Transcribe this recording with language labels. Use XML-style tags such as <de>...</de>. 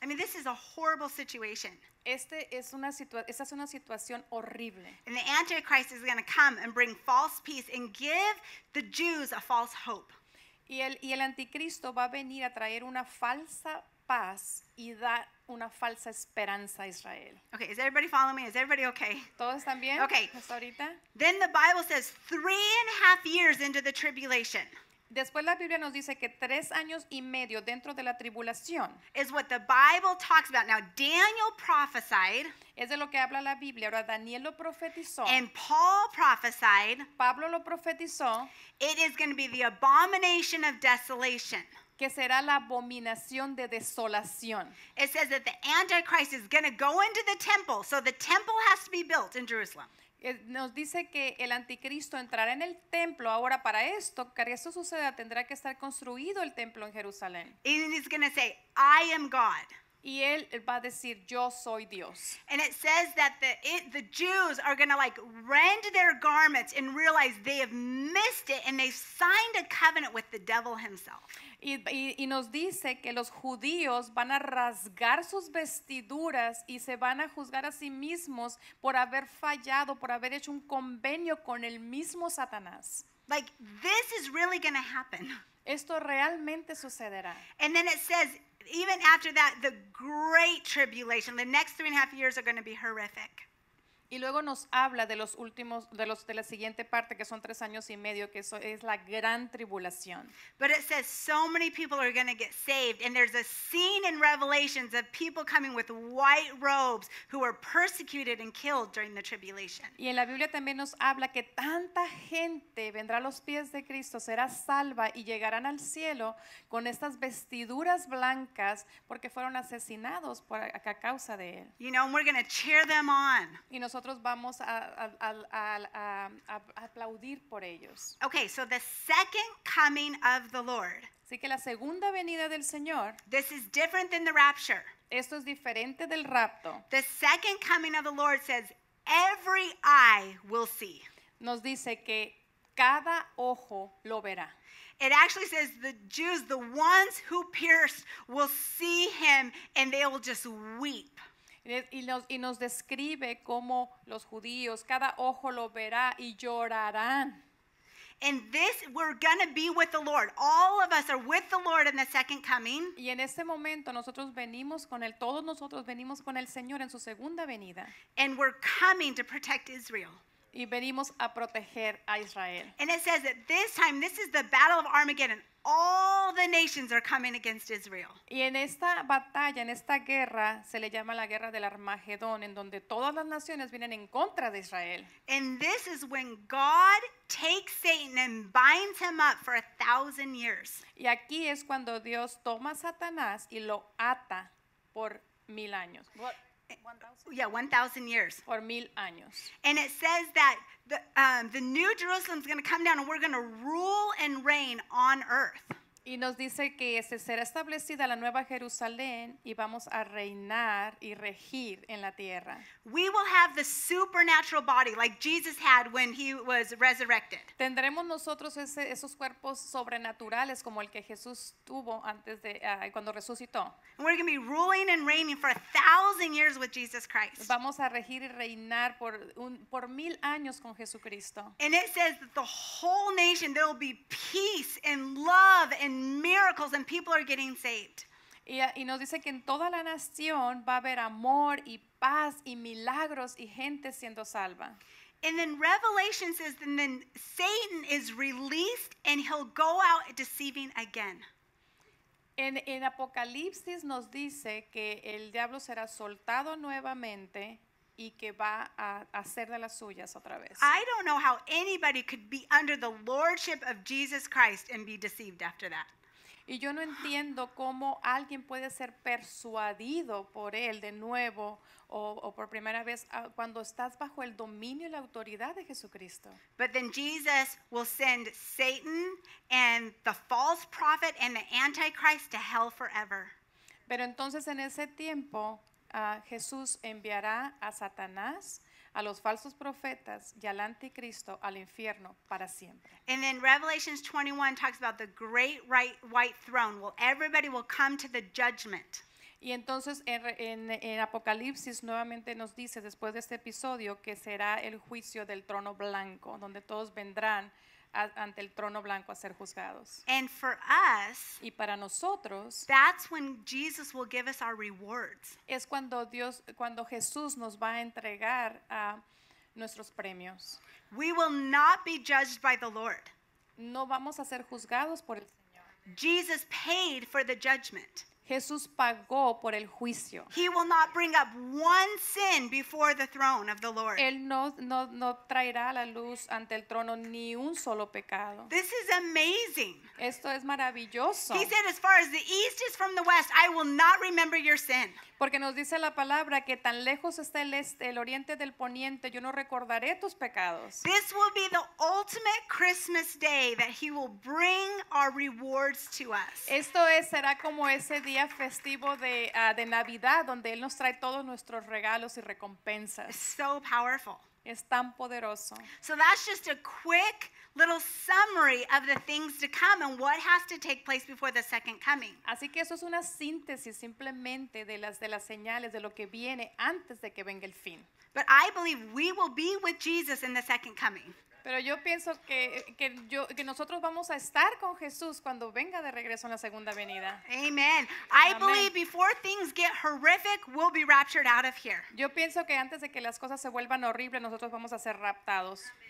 <en>I mean, this is a horrible situation.</en> <es>Esta es una situación horrible.</es> <en>And the Antichrist is going to come and bring false peace and give the Jews a false hope.</en> <es>Y el anticristo va a venir a traer una falsa paz y dar una falsa esperanza a Israel.</es> <en>Okay, is everybody following me? Is everybody okay?</en> <es>¿Todos están bien?</es> <en>Okay.</en> <es>¿Hasta ahorita?</es> <en>Then the Bible says 3.5 years into the tribulation.</en> <es>Después la Biblia nos dice que 3 años y medio dentro de la tribulación.</es> <en>Is what the Bible talks about. Now Daniel prophesied.</en> <es>Es de lo que habla la Biblia. Ahora Daniel lo profetizó.</es> <en>And Paul prophesied.</en> <es>Pablo lo profetizó.</es> <en>It is going to be the abomination of desolation.</en> <es>Que será la abominación de desolación.</es> <en>It says that the Antichrist is going to go into the temple. So the temple has to be built in Jerusalem.</en> <es>Nos dice que el anticristo entrará en el templo. Ahora para esto, que esto suceda, tendrá que estar construido el templo en Jerusalén.</es> <en>And he's going to say, I am God.</en> <es>Y él va a decir, yo soy Dios.</es> <en>And it says that the Jews are going to like rend their garments and realize they have missed it and they signed a covenant with the devil himself.</en> <es>Y nos dice que los judíos van a rasgar sus vestiduras y se van a juzgar a sí mismos por haber fallado, por haber hecho un convenio con el mismo Satanás.</es> <en>Like, this is really going to happen.</en> <es>Esto realmente sucederá.</es> <en>And then it says, even after that, the great tribulation, the next 3.5 years are going to be horrific.</en> <es>Y luego nos habla de los últimos, de la siguiente parte, que son 3 años y medio, que eso es la gran tribulación.</es> <en>But it says so many people are going to get saved, and there's a scene in Revelations of people coming with white robes who were persecuted and killed during the tribulation.</en> <es>Y en la Biblia también nos habla que tanta gente vendrá a los pies de Cristo, será salva y llegarán al cielo con estas vestiduras blancas porque fueron asesinados por a causa de él.</es> <en>You know, and we're going to cheer them on.</en> <es>Nosotros vamos a aplaudir por ellos.</es> <en>Okay, so the second coming of the Lord.</en> <es>Así que la segunda venida del Señor.</es> <en>This is different than the rapture.</en> <es>Esto es diferente del rapto.</es> <en>The second coming of the Lord says every eye will see.</en> <es>Nos dice que cada ojo lo verá.</es> <en>It actually says the Jews, the ones who pierced, will see him and they will just weep.</en> <es>Y nos describe cómo los judíos, cada ojo lo verá y llorarán.</es> <en>And this, we're going to be with the Lord. All of us are with the Lord in the second coming.</en> <es>Y en este momento nosotros venimos con él, todos nosotros venimos con el Señor en su segunda venida.</es> <en>And we're coming to protect Israel.</en> <es>Y venimos a proteger a Israel.</es> <en>And it says that this time, this is the battle of Armageddon. All the nations are coming against Israel.</en> <es>Y en esta batalla, en esta guerra, se le llama la guerra del Armagedón, en donde todas las naciones vienen en contra de Israel.</es> <en>And this is when God takes Satan and binds him up for 1,000 years.</en> <es>Y aquí es cuando Dios toma a Satanás y lo ata por 1,000 años.</es> <en>What? 1,000 years.</en> <es>Por 1,000 años.</es> <en>And it says that the New Jerusalem is going to come down, and we're going to rule and reign on earth.</en> <es>Y nos dice que se será establecida la nueva Jerusalén y vamos a reinar y regir en la tierra.</es> <en>We will have the supernatural body like Jesus had when he was resurrected.</en> <es>Tendremos nosotros esos cuerpos sobrenaturales como el que Jesús tuvo antes de cuando resucitó.</es> <en>And we're going to be ruling and reigning for 1,000 years with Jesus Christ.</en> <es>Vamos a regir y reinar por 1,000 años con Jesucristo.</es> <en>And it says that the whole nation, there will be peace and love and miracles, and people are getting saved.</en> <es>Y nos dice que en toda la nación va a haber amor y paz y milagros y gente siendo salva.</es> <en>And then Revelation says, and then Satan is released and he'll go out deceiving again.</en> <es>En Apocalipsis nos dice que el diablo será soltado nuevamente y que va a hacer de las suyas otra vez.</es> <en>I don't know how anybody could be under the lordship of Jesus Christ and be deceived after that.</en> <es>Y yo no entiendo cómo alguien puede ser persuadido por él de nuevo o por primera vez cuando estás bajo el dominio y la autoridad de Jesucristo.</es> <en>But then Jesus will send Satan and the false prophet and the Antichrist to hell forever.</en> <es>Pero entonces en ese tiempo Jesús enviará a Satanás, a los falsos profetas y al anticristo al infierno para siempre.</es> <en>And then Revelation 21 talks about the great white throne. Well, everybody will come to the judgment.</en> <es>Y entonces en Apocalipsis nuevamente nos dice después de este episodio que será el juicio del trono blanco, donde todos vendrán ante el trono blanco a ser juzgados.</es> <en>And for us,</en> <es>y para nosotros,</es> <en>that's when Jesus will give us our rewards.</en> <es>Es cuando Dios, cuando Jesús nos va a entregar a nuestros premios.</es> <en>We will not be judged by the Lord.</en> <es>No vamos a ser juzgados por el Señor.</es> <en>Jesus paid for the judgment.</en> <es>Jesús pagó por el juicio.</es> <en>He will not bring up one sin before the throne of the Lord.</en> <es>Él no traerá a la luz ante el trono ni un solo pecado.</es> <en>This is amazing.</en> <es>Esto es maravilloso.</es> <en>He said, as far as the east is from the west, I will not remember your sin.</en> <es>Porque nos dice la palabra que tan lejos está el este, el oriente del poniente, yo no recordaré tus pecados.</es> <en>This will be the ultimate Christmas day that he will bring our rewards to us.</en> <es>Esto será como ese día festivo de Navidad donde él nos trae todos nuestros regalos y recompensas.</es> <en>It's so powerful.</en> <es>Es tan poderoso.</es> <en>So that's just a quick little summary of the things to come and what has to take place before the second coming.</en> <es>Así que eso es una síntesis simplemente de las señales de lo que viene antes de que venga el fin.</es> <en>But I believe we will be with Jesus in the second coming.</en> <es>Pero yo pienso que nosotros vamos a estar con Jesús cuando venga de regreso en la segunda venida.</es> <en>Amen. I believe before things get horrific, we'll be raptured out of here.</en> <es>Yo pienso que antes de que las cosas se vuelvan horribles, nosotros vamos a ser raptados.</es>